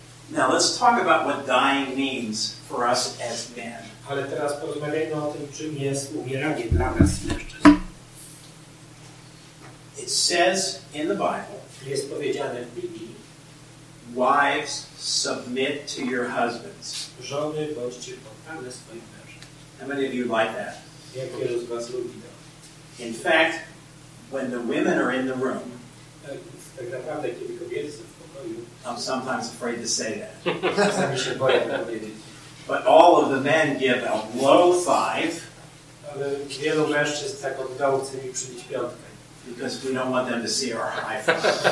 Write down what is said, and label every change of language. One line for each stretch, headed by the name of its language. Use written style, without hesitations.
English: Now let's talk about what dying means for us as men.
Polish: Ale teraz porozmawiajmy o tym, czym jest umieranie dla nas mężczyzn.
English: It says in the Bible,
Polish: jest powiedziane w Biblii,
English: wives submit to your husbands.
Polish: Żony bądźcie poddane swoim mężom.
English: How many of you like that?
Polish: Jak wielu z was lubi to?
English: In fact, when the women are in the room,
Polish: tak naprawdę, kiedy kobiety są w pokoju,
English: I'm sometimes afraid to say that.
Polish: Czasami się boję to powiedzieć.
English: But all of the men give a low five.
Polish: Ale wielu mężczyzn tak od dołu chce mi przybić piątkę.
English: Because we don't want them to see our high five.